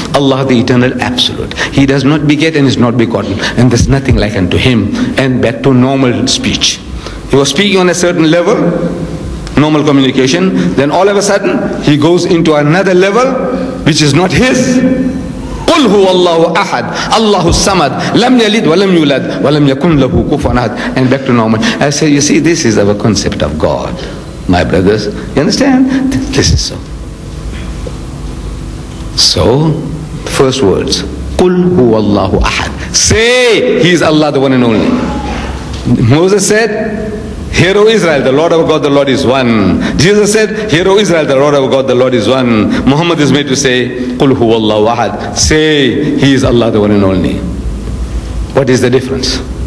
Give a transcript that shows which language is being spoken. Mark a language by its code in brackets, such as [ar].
[en] Allah, the eternal absolute. He does not beget and is not begotten. And there's nothing like unto him. And back to normal speech. He was speaking on a certain level, normal communication. Then all of a sudden, he goes into another level, which is not his. [ar] قل هو الله أحد الله الصمد لم يلد ولم يولد ولم يكن له كفوا أحد. [en] And back to normal. I say, you see, this is our concept of God, my brothers. You understand? This is so. So, first words, [ar] قل هو الله أحد. [en] Say, He is Allah, the one and only. Moses said, Hear, O Israel, the Lord our God, the Lord is one. Jesus said, Hear, O Israel, the Lord our God, the Lord is one. Muhammad is made to say, [ar] قُلْ هُوَ اللَّهُ أَحَدْ. [en] Say, He is Allah, the one and only. What is the difference?